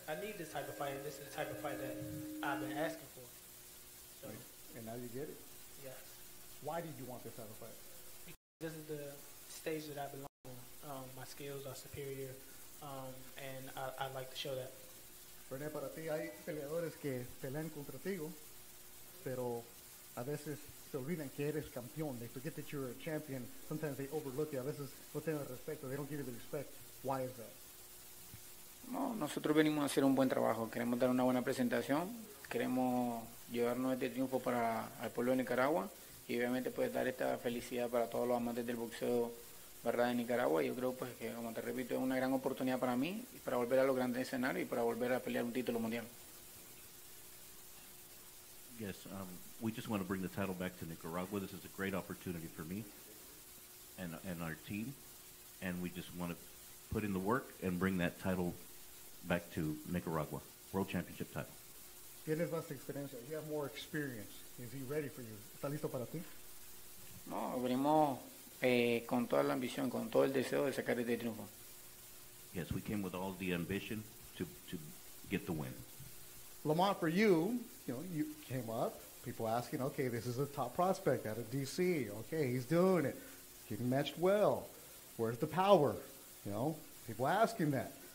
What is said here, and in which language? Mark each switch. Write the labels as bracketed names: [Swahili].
[English] I need this type of fight, and this is the type of fight that I've been asking for. So. And now you get it? Yes. Why did you want this type of fight? Because this is the stage that I belong on. My skills are superior, and I'd like to show that. [Spanish] René, para ti hay peleadores que pelean contra ti, pero a veces se olvidan que eres campeón. [English] They forget that you're a champion. Sometimes they overlook you. [Spanish] A veces no tienen respeto. [English] They don't give you the respect. Why is that? [Spanish] No, nosotros venimos a hacer un buen trabajo. Queremos dar una buena presentación. Queremos llevarnos este triunfo para el pueblo de Nicaragua y obviamente pues dar esta felicidad para todos los amantes del boxeo, ¿verdad?, de Nicaragua. Yo creo pues que, como te repito, es una gran oportunidad para mí y para volver a los grandes escenarios y para volver a pelear un título mundial. [English] Yes, we just want to bring the title back to Nicaragua. This is a great opportunity for me and our team, and we just want to put in the work and bring that title back to Nicaragua, world championship title. [Spanish] Tienes más experiencia. [English] You have more experience. Is he ready for you? [Spanish] ¿Está listo para ti? No, venimos con toda la ambición, con todo el deseo de sacar este triunfo. [English] Yes, we came with all the ambition to get the win. Lamont, for you, you know, you came up, people asking, okay, this is a top prospect out of D.C. Okay, he's doing it. Getting matched well. Where's the power? You know, people asking that.